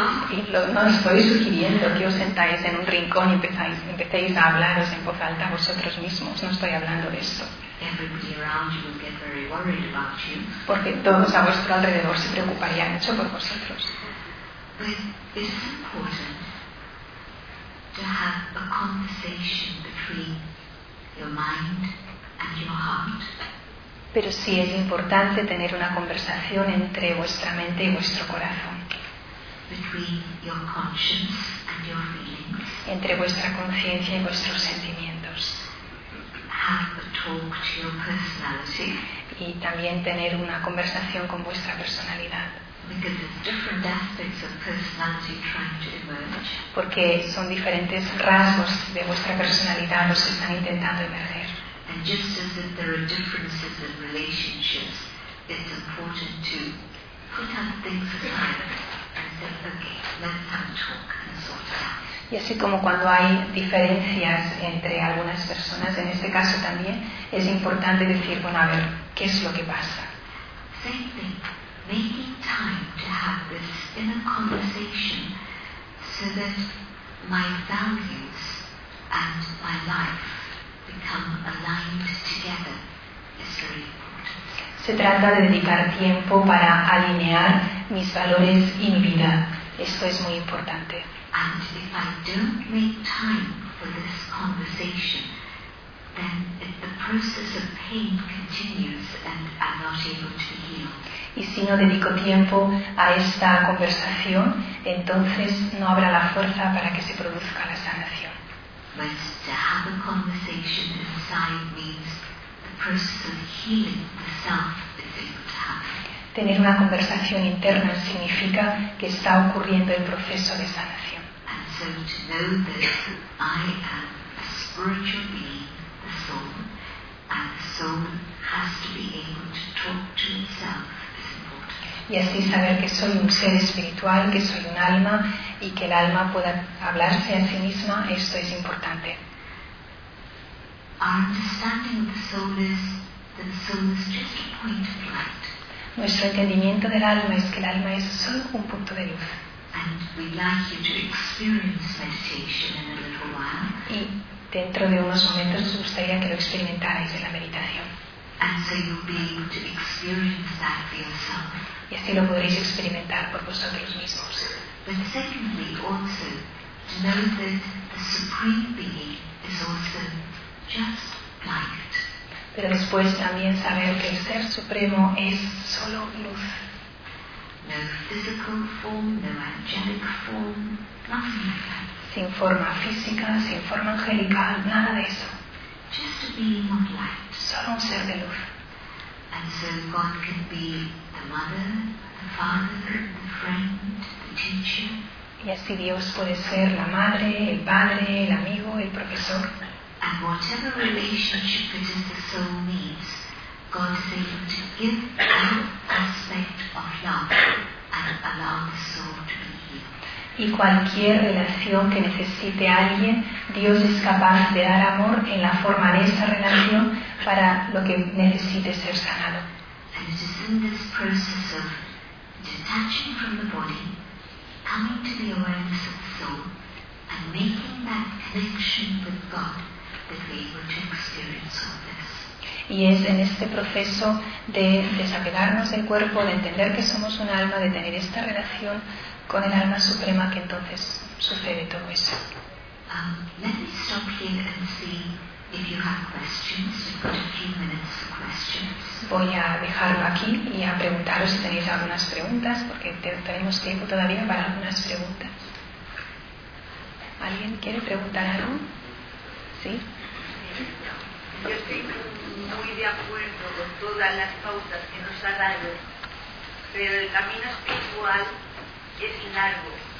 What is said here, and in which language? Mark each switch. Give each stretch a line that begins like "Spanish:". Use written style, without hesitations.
Spanish: Y no estoy sugiriendo que os sentáis en un rincón y empecéis a hablaros en voz alta vosotros mismos. No estoy hablando de esto.
English: Everybody around you will get very worried about you.
Spanish: Porque todos a vuestro alrededor se preocuparían mucho por vosotros.
English: But it's important to have a conversation between your mind and your heart.
Spanish: Pero sí es importante tener una conversación entre vuestra mente y vuestro corazón.
English: Between your conscience and your feelings.
Spanish: Entre vuestra conciencia y vuestros sentimientos.
English: Have a talk to your personality.
Spanish: Y también tener una conversación con vuestra personalidad.
English: Because there's different aspects of personality trying to emerge.
Spanish: Porque son diferentes rasgos de vuestra personalidad los que están intentando emerger.
English: And just as if there are differences in relationships, it's important to put up things aside and say, okay, let's have a talk and sort it out.
Spanish: Y así como cuando hay diferencias entre algunas personas, en este caso también, es importante decir, bueno, a ver, ¿qué es lo que pasa?
English: Same thing, making time to have this inner conversation so that my values and my life become aligned together is very important.
Spanish: Se trata de dedicar tiempo para alinear mis valores y mi vida. Esto es muy importante.
English: And if I don't make time for this conversation, then the process of pain continues and I'm not able to heal.
Spanish: Y si no dedico tiempo a esta conversación, entonces no habrá la fuerza para que se produzca la sanación.
English: But to have a conversation inside means the process of healing the self is able to happen.
Spanish: Tener una conversación interna significa que está ocurriendo el proceso de sanación.
English: So to know that I am a spiritual being, the soul, and the soul has to be able to talk to itself is important.
Spanish: Y así saber que soy un ser espiritual, que soy un alma, y que el alma pueda hablarse a sí misma, esto es importante.
English: Our understanding of the soul is that the soul is just a point of light.
Spanish: Nuestro entendimiento del alma es que el alma es solo un punto de luz.
English: And we'd like you to experience meditation in a little while.
Spanish: Y dentro de unos momentos os gustaría que lo experimentarais en la meditación.
English: And so you'll be able to experience that for yourself.
Spanish: Y así lo podréis experimentar por vosotros mismos.
English: But secondly, also, know that the Supreme Being is also just light.
Spanish: Pero después también saber que el Ser Supremo es solo luz.
English: No physical form, no angelic form, nothing like that.
Spanish: Sin forma física, sin forma angelical, nada de eso.
English: Just a being of light.
Spanish: Solo un ser de luz.
English: And so God can be the mother, the father, the friend, the teacher.
Spanish: Y así Dios puede ser la madre, el padre, el amigo, el profesor.
English: And whatever relationship it is the soul needs, God is able to give that aspect of love and allow the soul to be healed.
Spanish: Y cualquier relación que necesite alguien, Dios es capaz de dar amor en la forma de esa relación para lo que necesite ser sanado.
English: And it is in this process of detaching from the body, coming to the awareness of the soul, and making that connection with God that we are able to experience all this.
Spanish: Y es en este proceso de desapegarnos del cuerpo, de entender que somos un alma, de tener esta relación con el alma suprema, que entonces sucede todo eso.
English: Let me stop here and see if you have questions. We've got a few minutes for questions.
Spanish: Voy a dejarlo aquí y a preguntaros si tenéis algunas preguntas, porque tenemos tiempo todavía para algunas preguntas. ¿Alguien quiere preguntar algo? ¿Sí? Yo estoy muy de acuerdo con todas las pautas que nos ha dado, pero el camino espiritual es largo.